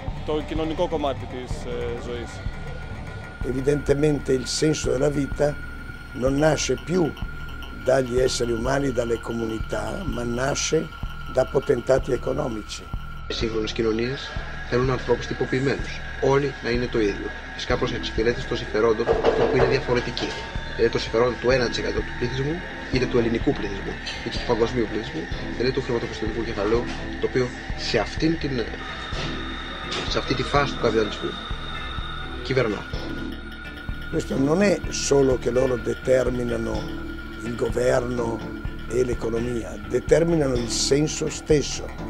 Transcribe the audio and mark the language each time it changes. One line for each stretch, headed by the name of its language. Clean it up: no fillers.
Greek: Το κοινωνικό κομμάτι της ζωής.
Italian: Evidentemente il senso della vita non nasce più dagli esseri umani, dalle comunità, ma nasce da potentati economici.
Greek: Le σύγχρονες κοινωνίες θέλουν ανθρώπους τυποποιημένους, όλοι να είναι το ίδιο. Φυσικά προς εξυπηρέτηση των συμφερόντων που είναι διαφορετικοί. Είναι το συμφερόν του 1% του πληθυσμού, είτε του ελληνικού πληθυσμού, είτε του παγκοσμίου πληθυσμού, είτε του χρηματοπιστωτικού κεφαλαίου, το οποίο σε αυτήν την. Σε αυτή τη φάση του καπιταλισμού κυβερνά.
Italian: Questo non è solo che loro determinano il governo e l'economia, determinano il senso stesso.